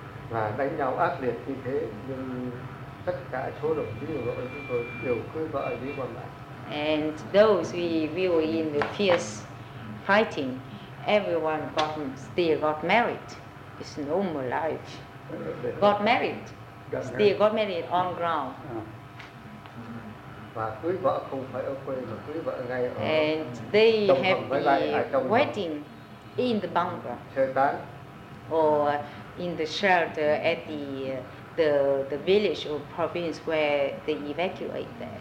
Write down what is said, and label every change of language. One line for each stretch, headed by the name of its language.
Vietnamese: Và đánh nhau ác liệt như thế, nhưng tất cả số đồng chí đồng đội chúng tôi đều cưới vợ đi qua lại.
English: And those we were in the fierce fighting, everyone got married. It's normal life. Got married on ground.
Vietnamese: Và cưới vợ không phải ở quê mà cưới vợ ngay ở.
English: And they have the wedding in the bunker. Shelter. Or in the shelter at the village or province where they evacuate there.